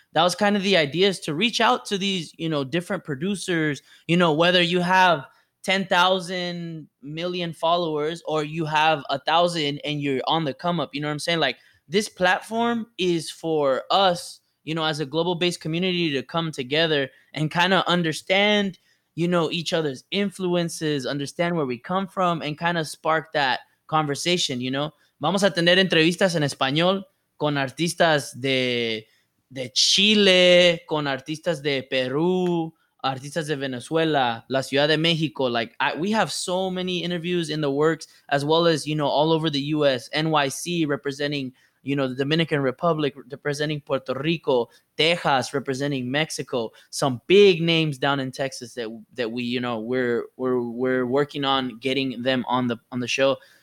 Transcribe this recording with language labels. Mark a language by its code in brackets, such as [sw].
[en] That was kind of the idea, is to reach out to these, you know, different producers, you know, whether you have 10,000 million followers or you have 1,000 and you're on the come up. You know what I'm saying? Like, this platform is for us, you know, as a global based community, to come together and kind of understand, you know, each other's influences, understand where we come from, and kind of spark that conversation, you know. [es] Vamos a tener entrevistas en español con artistas de Chile, con artistas de Perú, artistas de Venezuela, La Ciudad de México. [en] Like, we have so many interviews in the works, as well as, you know, all over the U.S., NYC representing, you know, the Dominican Republic, representing Puerto Rico, Texas, representing Mexico, some big names down in Texas that we, you know, we're working on getting them on the show.